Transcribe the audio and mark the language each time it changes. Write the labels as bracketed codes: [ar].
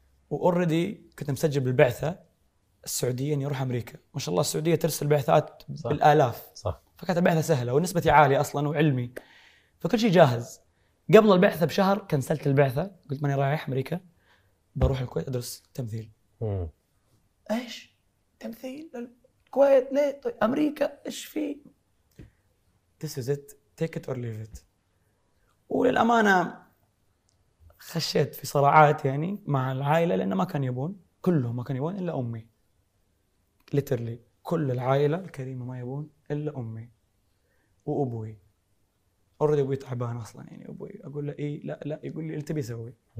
[ar] واوريدي كنت مسجل بالبعثة السعودية اني اروح امريكا. ما شاء الله السعودية ترسل بعثات بالالاف، فكانت البعثة سهلة ونسبة عالية اصلا وعلمي، فكل شيء جاهز. قبل البعثة بشهر كنسلت البعثة، قلت ماني رايح أمريكا، بروح الكويت أدرس تمثيل. إيش تمثيل الكويت؟ ليه أمريكا؟ إيش فيه؟ [en] This is it, take it or leave it. [ar] وللأمانة خشيت في صراعات يعني مع العائلة، لأن ما كان يبون، كلهم ما كان يبون إلا أمي. literally كل العائلة الكريمة ما يبون إلا أمي وأبوي. أوردي أبوي تعبان أصلاً يعني، أبوي أقول له إيه لا لا، يقول لي اللي تبي سوي.